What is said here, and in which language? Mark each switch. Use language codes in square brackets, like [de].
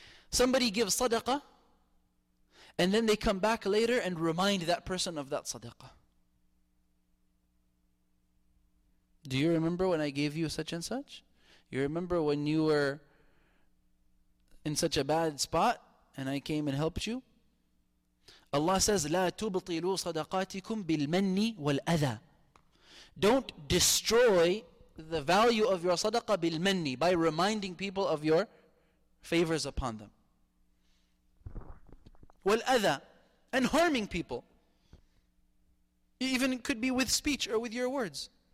[en] Somebody gives sadaqah, and then they come back later and remind that person of that sadaqah. Do you remember when I gave you such and such? You remember when you were in such a bad spot and I came and helped you? Allah says, [ar] لا تبطلوا صدقاتكم بالمن والأذى. [en] Don't destroy the value of your sadaqah بالمن, by reminding people of your favors upon them. والأذى, and harming people. Even could be with speech or with your words.